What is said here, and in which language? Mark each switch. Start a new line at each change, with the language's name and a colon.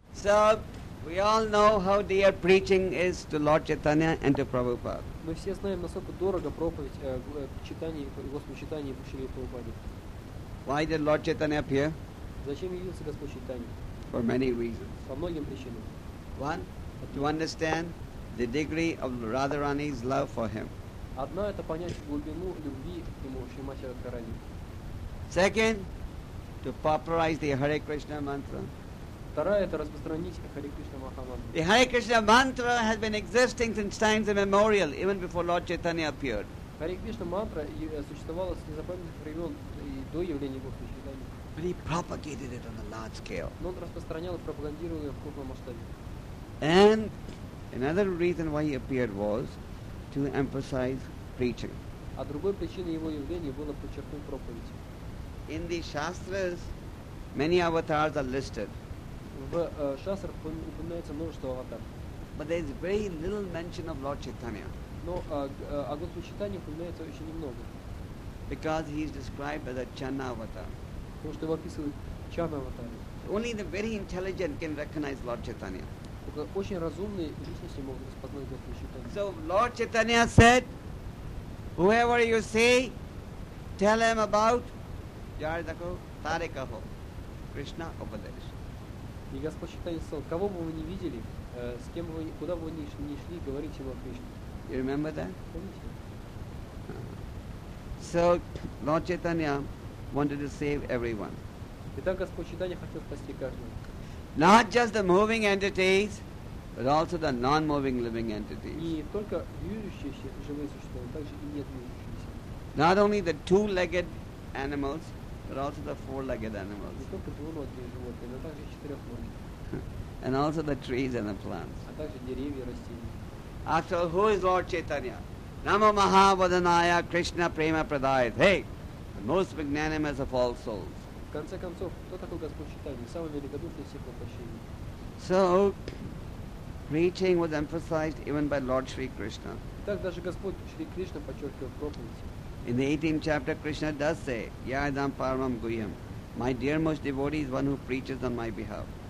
English: sir, we all know how dear preaching is to Lord Chaitanya and to Prabhupada.
Russian: Мы все знаем, насколько дорого проповедь читание Господь читание Шрилы Прабхупады.
English: Why did Lord Chaitanya appear?
Russian: Зачем явился Господь Чайтанья?
English: For many reasons.
Russian: По многим причинам.
English: One, to understand the degree of Radharani's love for him.
Russian: Одна это понять глубину любви к нему Шримати Радхарани.
English: Second, to popularize the Hare Krishna mantra.
Russian: Вторая это распространить Hare Krishna Mahamantra.
English: The Hare Krishna mantra has been existing since times immemorial, even before Lord Chaitanya appeared.
Russian: Hare Krishna mantra существовала с незапамятных времен и до явления Господа Чайтанья.
English: But he propagated it on a large scale.
Russian: Но он распространял и пропагандировал ее в крупном масштабе.
English: And another reason why he appeared was to emphasize preaching.
Russian: А другой причиной его явления было подчеркнуть проповедь.
English: In the shastras, many avatars are listed.
Russian: В шастрах упоминается множество аватаров.
English: But there is very little mention of Lord Chaitanya.
Russian: Но о Господе Чайтанье упоминается очень немного.
English: Because he is described as a channa avatar.
Russian: Потому что его описывают channa аватаром.
English: Only the very intelligent can recognize Lord Chaitanya.
Russian: Очень разумные личности могут распознать Господа Чайтанья.
English: So Lord Chaitanya said, whoever you see, tell him about
Sanskrit: Jardako Tarekaho, Krishna Upadesh.
Russian: И Господь Чайтанья сказал, кого бы вы ни видели, с кем вы, куда бы вы ни шли, говорите ему о Кришне.
English: You remember that?
Russian: Помните?
English: So Lord Chaitanya wanted to save everyone.
Russian: Итак, Господь Чайтанья хотел спасти каждого.
English: Not just the moving entities, but also the non-moving living entities.
Russian: Не только движущиеся живые существа, но также и недвижущиеся.
English: Not only the two-legged animals, but also the four-legged animals.
Russian: Не только двуногие животные, но также четырехногие.
English: And also the trees and the plants.
Russian: А также деревья и растения.
English: After all, who is Lord Chaitanya?
Sanskrit: Namo Mahavadanaya Krishna Prema Pradayat.
English: Hey, the most magnanimous of all souls.
Russian: В конце концов, кто такой Господь Чайтанья? Самый великодушный из всех воплощений.
English: So, preaching was emphasized even by Lord Shri Krishna.
Russian: Так даже Господь Шри Кришна подчеркивает проповедь.
English: In the 18th chapter, Krishna does say,
Sanskrit: Yadam Parvam Guyam.
English: My dear most devotee is one who preaches on my behalf.